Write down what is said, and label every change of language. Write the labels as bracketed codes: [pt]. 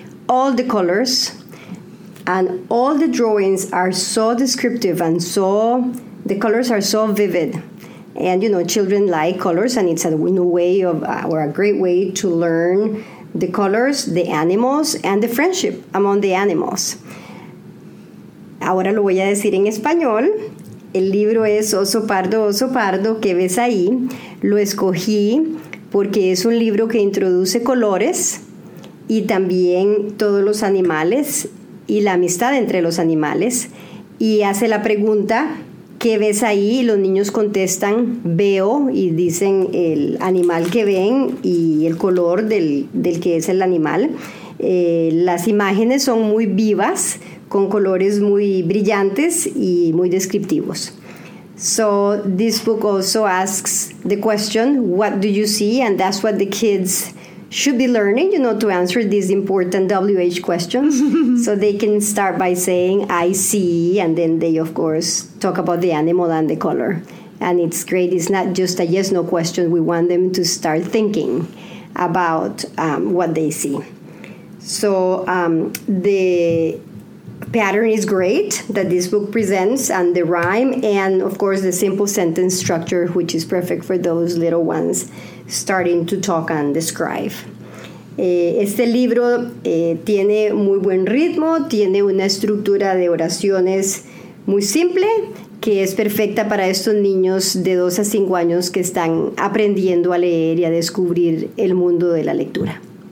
[en] All the colors and all the drawings are so descriptive, and so the colors are so vivid. And, you know, children like colors, and it's a new way of, or a great way to learn the colors, the animals, and the friendship among the animals. [es] Ahora lo voy a decir en español. El libro es Oso Pardo, ¿Qué Ves Ahí? Lo escogí porque es un libro que introduce colores y también todos los animales y la amistad entre los animales. Y hace la pregunta, ¿qué ves ahí? Y los niños contestan, veo, y dicen el animal que ven y el color del que es el animal. Las imágenes son muy vivas, con colores muy brillantes y muy descriptivos. [en] So this book also asks the question, what do you see? And that's what the kids should be learning, you know, to answer these important WH questions. So they can start by saying, I see, and then they, of course, talk about the animal and the color. And it's great. It's not just a yes-no question. We want them to start thinking about what they see. So the pattern is great that this book presents, and the rhyme, and of course the simple sentence structure, which is perfect for those little ones starting to talk and describe. [es] Este libro tiene muy buen ritmo, tiene una estructura de oraciones muy simple, que es perfecta para estos niños de 2 a 5 años que están aprendiendo a leer y a descubrir el mundo de la lectura.